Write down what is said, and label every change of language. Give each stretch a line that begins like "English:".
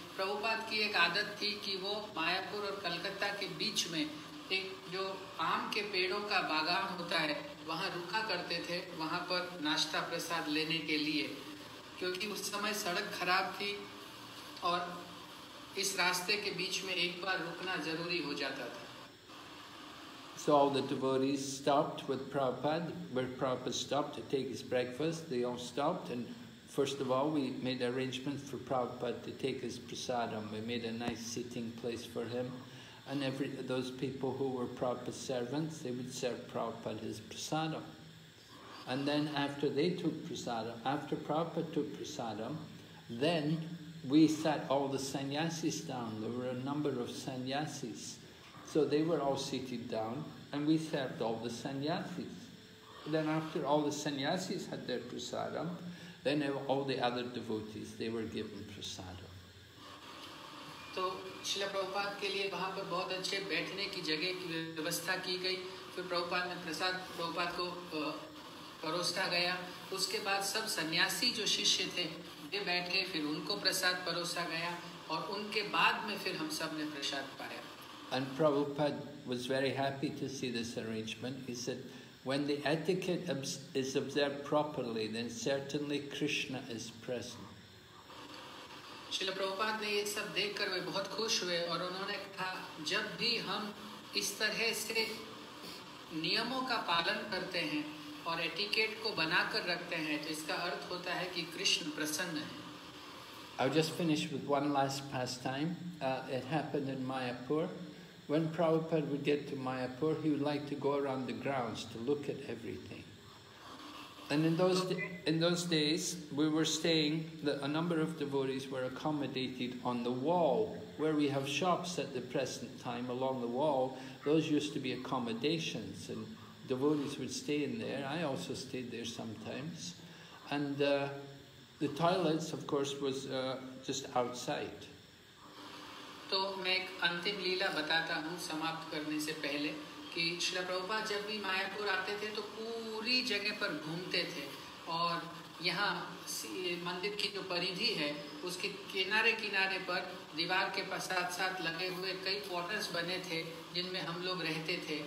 Hindi: प्रभुपाद की एक आदत थी कि वो मायापुर और कलकत्ता के बीच में एक जो आम के पेड़ों का बागान होता है वहाँ रुका करते थे वहाँ पर नाश्ता प्रसाद लेने के लिए, क्योंकि उस समय सड़क खराब थी और इस रास्ते के बीच में एक बार रुकना जरूरी हो जाता था।
English: So all the devotees stopped with Prabhupada, where Prabhupada stopped to take his breakfast. They all stopped, and first of all, we made arrangements for Prabhupada to take his prasadam. We made a nice sitting place for him. And every those people who were Prabhupada's servants, they would serve Prabhupada his prasadam. And then after they took prasadam, after Prabhupada took prasadam, then we sat all the sannyasis down. There were a number of sannyasis. So they were all seated down and we served all the sannyasis. Then after all the sannyasis had their prasadam, then all the other devotees, they were given prasadam.
Hindi: तो शिला प्रभुपाद के लिए वहाँ पर बहुत अच्छे बैठने की जगह की व्यवस्था की गई, फिर प्रभुपाद ने प्रसाद प्रभुपाद को परोसा गया, उसके बाद सब सन्यासी जो शिष्य थे वे बैठ गए, फिर उनको प्रसाद परोसा गया और उनके बाद में फिर हम सब ने प्रसाद पाया।
English: And Prabhupada was very happy to see this arrangement. He said, when the etiquette is observed properly, then certainly Krishna is present.
Hindi: Srila Prabhupada ने ये सब देख कर वे बहुत खुश हुए और उन्होंने कहा जब भी हम इस तरह से नियमों का पालन करते हैं और एटिकेट को बना कर रखते हैं तो इसका अर्थ होता है कि कृष्ण प्रसन्न है।
English: I'll just finish with one last pastime. It happened in Mayapur. When Prabhupada would get to Mayapur, he would like to go around the grounds to look at everything. And in those days, we were staying, a number of devotees were accommodated on the wall, where we have shops at the present time along the wall. Those used to be accommodations, and devotees would stay in there. I also stayed there sometimes. And the toilets, of course, was just outside.
Hindi: तो मैं एक अंतिम लीला बताता हूँ समाप्त करने से पहले कि श्रीला प्रभुपाद जब भी मायापुर आते थे तो पूरी जगह पर घूमते थे और यहाँ मंदिर की जो परिधि है उसके किनारे किनारे पर दीवार के साथ साथ लगे हुए कई क्वार्टर्स बने थे जिनमें हम लोग रहते थे।